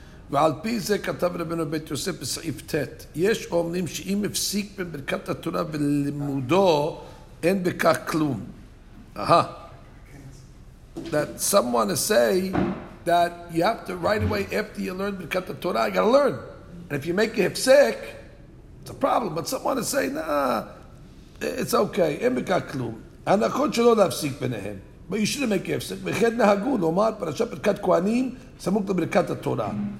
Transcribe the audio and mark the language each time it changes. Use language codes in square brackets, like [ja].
[he] ועל פי זה כתב רבנו בית יוסף בסעיף ת' יש אומנים שאם הפסיק בברכת התורה ולימודו אין בכך כלום. Aha. [en] That someone to say that you have to right away after you learn ברכת התורה, you gotta learn. And if you make a הפסק, it's a problem. But someone to say, nah, it's okay, [he] אין בכך כלום. הנכון שלא להפסיק ביניהם. [en] But you shouldn't make a הפסק. [he] וכן נהגו לומר פרשת ברכת כהנים סמוך לברכת התורה.